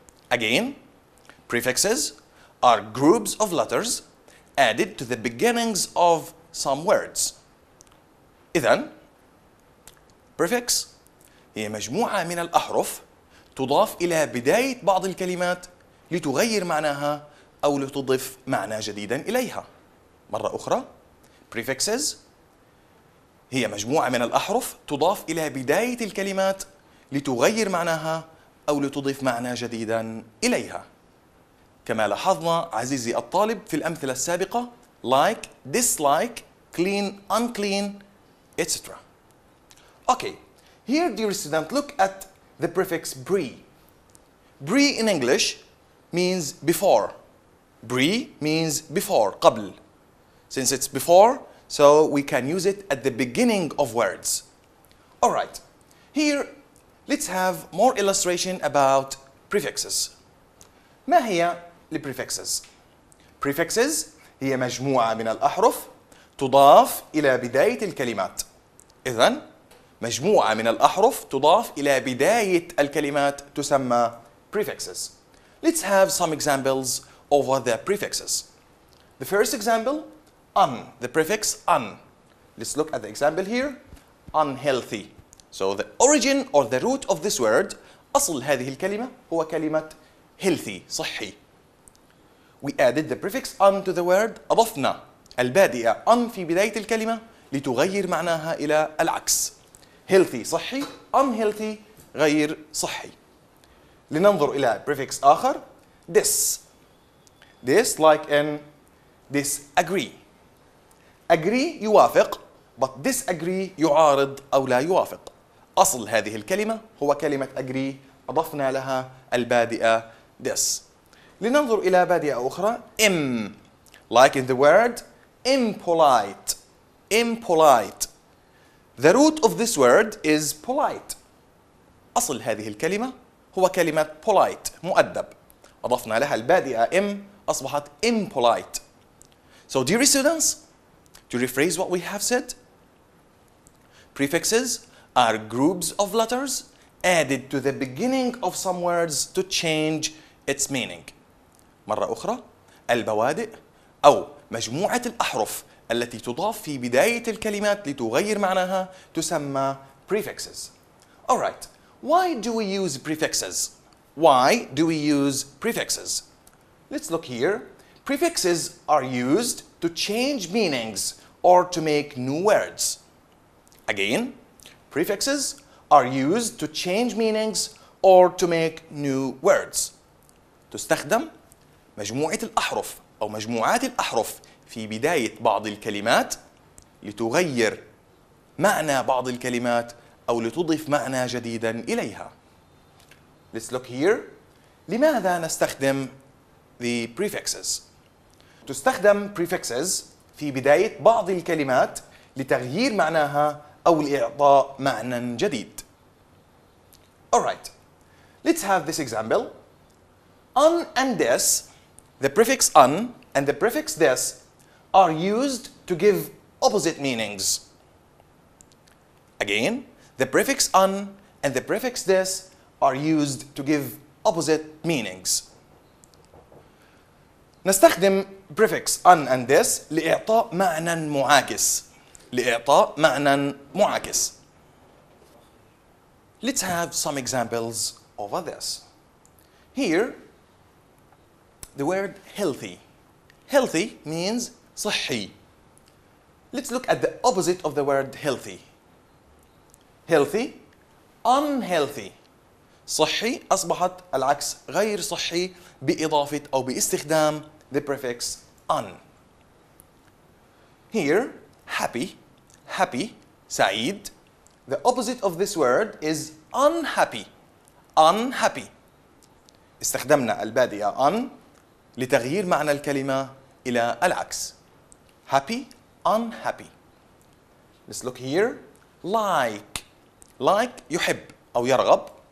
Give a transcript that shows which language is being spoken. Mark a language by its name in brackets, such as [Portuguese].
[English] Again, prefixes are groups of letters added to the beginnings of some words. [Arabic] إذن, prefix هي مجموعة من الأحرف تضاف إلى بداية بعض الكلمات لتغير معناها أو لتضيف معنى جديدا إليها. مرة أخرى, prefixes هي مجموعة من الأحرف تضاف إلى بداية الكلمات لتغير معناها أو لتضيف معنى جديدا إليها. كما لاحظنا عزيزي الطالب في الأمثلة السابقة like, dislike, clean, unclean, etc. [English] Okay, here dear student, look at the prefix pre. Pre in English means before. pre means before, قبل. Since it's before, so we can use it at the beginning of words. All right, here, let's have more illustration about prefixes. [Arabic] ما هي prefixes? Prefixes هي مجموعة من الأحرف تضاف إلى بداية الكلمات. إذن مجموعة من الأحرف تضاف إلى بداية الكلمات تسمى prefixes. [English] Let's have some examples over the prefixes. The first example, un, the prefix un. Let's look at the example here, unhealthy. So the origin or the root of this word, [Arabic] أصل هذه الكلمة هو كلمة healthy, صحي. [English] We added the prefix un to the word, [Arabic] أضفنا البادئة un في بداية الكلمة لتغير معناها إلى العكس. Healthy, صحي, unhealthy, غير صحي. لننظر إلى prefix آخر, dis. [English] Dis like in disagree. [Arabic] Agree يوافق, [English] but disagree [Arabic] يعارض أو لا يوافق. أصل هذه الكلمة هو كلمة agree, أضفنا لها البادئة dis. لننظر إلى بادئة أخرى, im. [English] Like in the word impolite. Impolite. The root of this word is polite. [Arabic] أصل هذه الكلمة هو كلمة polite, مؤدب. أضفنا لها البادئة im, أصبحت impolite. [English] So, dear students, to rephrase what we have said, prefixes are groups of letters added to the beginning of some words to change its meaning. [Arabic] مرة أخرى, البوادئ أو مجموعة الأحرف التي تضاف في بداية الكلمات لتغير معناها تسمى prefixes. [English] Alright, why do we use prefixes? Why do we use prefixes? Let's look here. Prefixes are used to change meanings or to make new words. Again, prefixes are used to change meanings or to make new words. [Arabic] تستخدم مجموعة الأحرف أو مجموعات الأحرف في بداية بعض الكلمات لتغير معنى بعض الكلمات أو لتضيف معنى جديداً إليها. [English] Let's look here. [Arabic] لماذا نستخدم the prefixes؟ تستخدم prefixes في بداية بعض الكلمات لتغيير معناها أو لإعطاء معنى جديد. [English] Alright, let's have this example. Un and this, the prefix un and the prefix this are used to give opposite meanings. Again, the prefix un and the prefix this are used to give opposite meanings. [Arabic] نستخدم prefix un and this لإعطاء معنى معاكس. لإعطاء معنى معاكس. [English] Let's have some examples over this. Here, the word healthy. Healthy means صحي. Let's look at the opposite of the word healthy. Healthy, unhealthy. [Arabic] صحي أصبحت العكس غير صحي بإضافة أو باستخدام the prefix un. [English] Here, happy. Happy, سعيد. The opposite of this word is unhappy. Unhappy. [Arabic] استخدمنا البادئة un لتغيير معنى الكلمة إلى العكس. [English] Happy, unhappy. Let's look here. Like. [Arabic] Like, يحب أو يرغب.